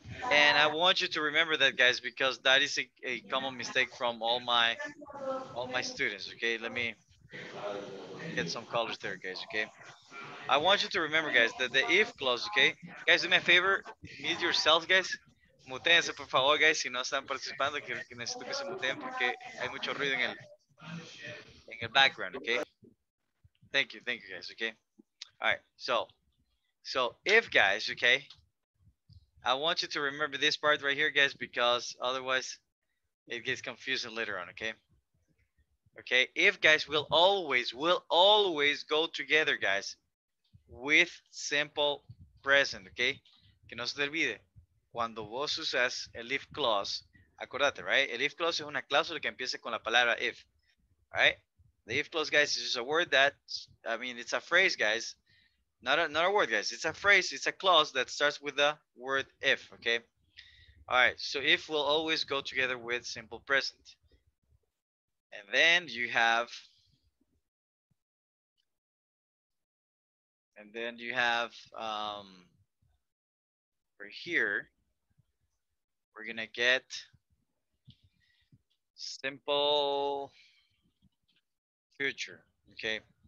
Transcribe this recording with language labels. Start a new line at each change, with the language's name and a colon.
English: And I want you to remember that, guys, because that is a common mistake from all my students. Okay. Let me get some colors there, guys. Okay. I want you to remember, guys, that the if clause, okay? Guys, do me a favor. Mute yourselves, guys.
Spanish: Muteense, por favor,
English: guys.
Spanish: Si no están participando, que necesito que se muteen porque hay mucho ruido en el background, okay?
English: Thank you, guys, okay? All right, so if, guys, okay, I want you to remember this part right here, guys, because otherwise it gets confusing later on, okay? Okay, if, guys, will always go together, guys, with simple present, okay?
Spanish: Que no se te olvide, cuando vos usas el if clause, acordate, right? El if clause es una cláusula que empieza con la palabra if, all right?
English: The if clause, guys, is just a word that, I mean, it's a phrase, guys. Not a word, guys. It's a phrase. It's a clause that starts with the word if, okay? All right. So if will always go together with simple present. And then you have, over here, we're gonna get simple future, okay?